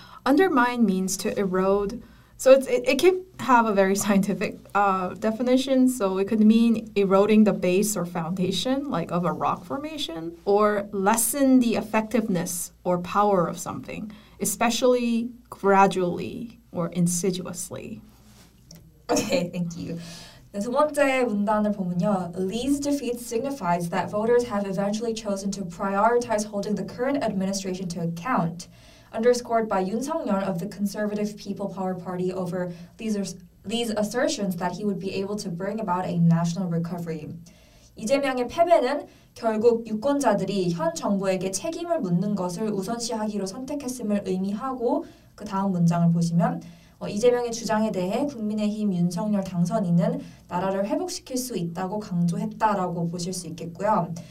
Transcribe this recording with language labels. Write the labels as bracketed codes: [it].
[en] Undermine means to erode. So it can have a very scientific definition. So it could mean eroding the base or foundation, like of a rock formation, or lessen the effectiveness or power of something, especially gradually or insidiously. Okay, thank you. [ko] 네, 두 번째 문단을 보면요. [en] Lee's defeat signifies that voters have eventually chosen to prioritize holding the current administration to account, underscored by Yoon Suk-yeol of the Conservative People Power Party over Lee's assertions that he would be able to bring about a national recovery. [ko] 이재명의 패배는 결국 유권자들이 현 정부에게 책임을 묻는 것을 우선시하기로 선택했음을 의미하고 그 다음 문장을 보시면 이재명의 주장에 대해 국민의힘 윤석열 당선인은 나라를 회복시킬 수 있다고 강조했다라고 보실 수 있겠고요.